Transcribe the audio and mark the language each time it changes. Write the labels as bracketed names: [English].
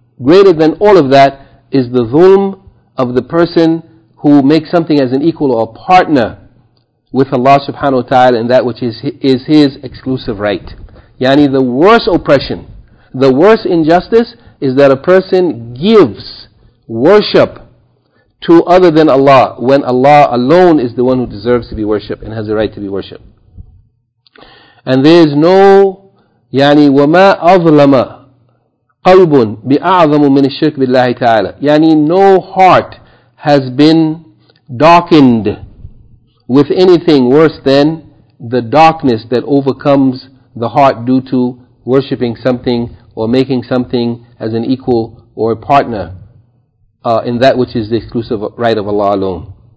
[English] Greater than all of that is the ظلم of the person who makes something as an equal or a partner with Allah subhanahu wa ta'ala in that which is his exclusive right. Yani, the worst oppression, the worst injustice is that a person gives worship to other than Allah when Allah alone is the one who deserves to be worshipped and has the right to be worshipped. And there is no, [Arabic] yani, وَمَا أَظْلَمَ قَلْبٌ بِأَعْظَمُ مِنِ الشِّرْكِ بِاللَّهِ تَعَالَى. [English] Yani, no heart has been darkened with anything worse than the darkness that overcomes the heart due to worshipping something or making something as an equal or a partner in that which is the exclusive right of Allah alone.